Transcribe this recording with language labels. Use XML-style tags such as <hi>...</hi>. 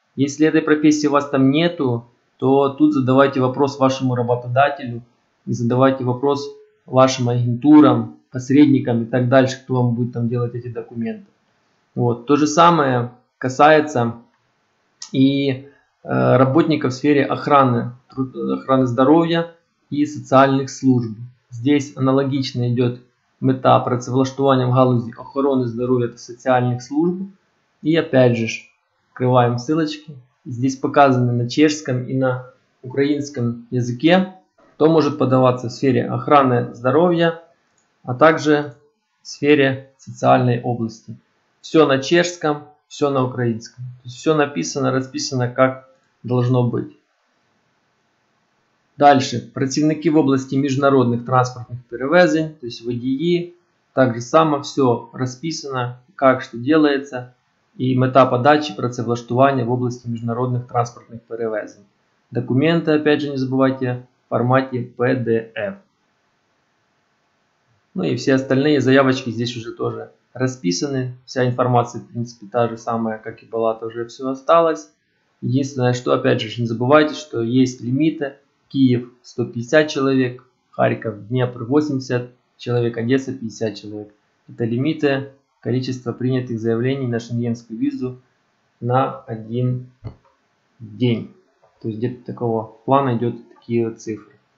<ru>Если этой профессии у вас там нету, то тут задавайте вопрос вашему работодателю и задавайте вопрос вашим агентурам, посредникам и так дальше, кто вам будет там делать эти документы. Вот. То же самое касается и работников в сфере охраны здоровья и социальных служб. Здесь аналогично идет</ru> <uk>мета працевлаштування в галузі охорони здоров'я та соціальних служб. І опять же, вкриваємо ссылочки.</uk> <ru>Здесь показано на чешском</ru> <uk>і на українському язикі, хто може подаватися в сфері охорони здоров'я, а також в сфері соціальної області.</uk> <ru>Все на чешском, все</ru> <uk>на українському. Тобто все написано, розписано, як должно бути. Дальше, працівники в області міжнародних транспортних перевезень, тобто водії, так же само все розписано, як що робиться, і мета подачі працевлаштування в області міжнародних транспортних перевезень. Документи, опять же, не забувайте, в форматі PDF. Ну і всі остальні заявочки здесь уже теж розписані, вся інформація, в принципі, та же самая, як і була, то вже все осталось. Єдине, що, опять же, не забувайте, що є ліміти.</uk> <ru>Киев 150 человек, Харьков, Днепр 80 человек, Одесса 50 человек. Это лимиты количества принятых заявлений на шенгенскую визу на один день. То есть где-то такого плана идет такие вот цифры.</ru>